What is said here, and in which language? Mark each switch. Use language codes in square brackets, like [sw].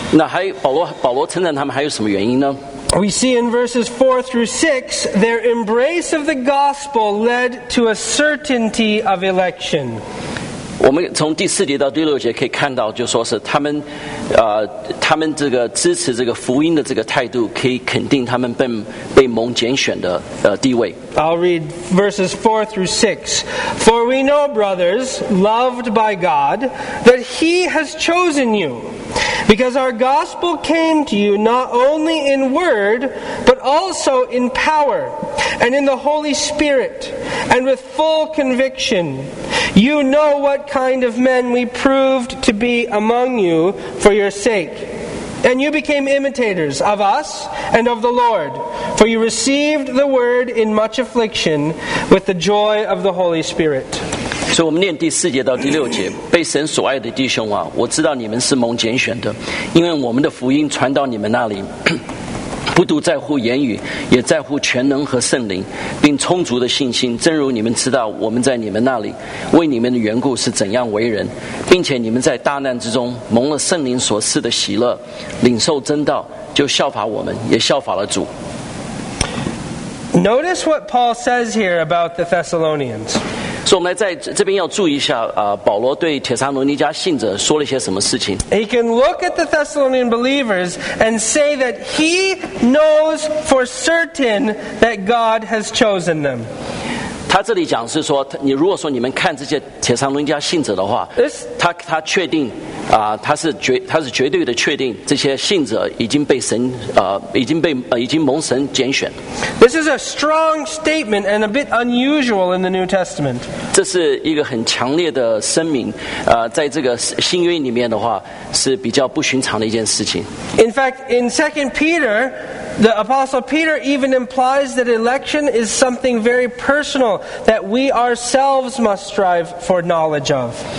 [zh] 那还保罗称赞他们还有什么原因呢？ [en] We see in verses 4 through 6, their embrace of the gospel led to a certainty of election. [zh] 我们从第四节到第六节可以看到，就说是他们，他们这个支持这个福音的这个态度，可以肯定他们被蒙拣选的地位。 [en] I'll read verses 4-6. For we know, brothers, loved by God, that He has chosen you, because our gospel came to you not only in word, but also in power, and in the Holy Spirit, and with full conviction. You know what kind of men we proved to be among you for your sake. And you became imitators of us and of the Lord, for you received the word in much affliction with the joy of the Holy Spirit. [zh] 所以我们念第四节到第六节，被神所爱的弟兄啊，我知道你们是蒙拣选的，因为我们的福音传到你们那里，不独在乎言语，也在乎全能和圣灵，并充足的信心。正如你们知道，我们在你们那里为你们的缘故是怎样为人，并且你们在大难之中蒙了圣灵所赐的喜乐，领受真道，就效法我们，也效法了主。 [en] Notice what Paul says here about the Thessalonians. [zh] 所以我们来在这边要注意一下，保罗对帖撒罗尼迦信者说了一些什么事情。 [en] He can look at the Thessalonian believers and say that he knows for certain that God has chosen them. [zh] 他这里讲是说，你如果说你们看这些帖撒罗尼迦信者的话，他确定。他是绝对的确定这些信者已经蒙神拣选。 [en] This is a strong statement and a bit unusual in the New Testament. [zh] 这是一个很强烈的声明，在这个新约里面的话是比较不寻常的一件事情。 [en] In fact, in 2 Peter, the Apostle Peter even implies that election is something very personal that we ourselves must strive for knowledge of.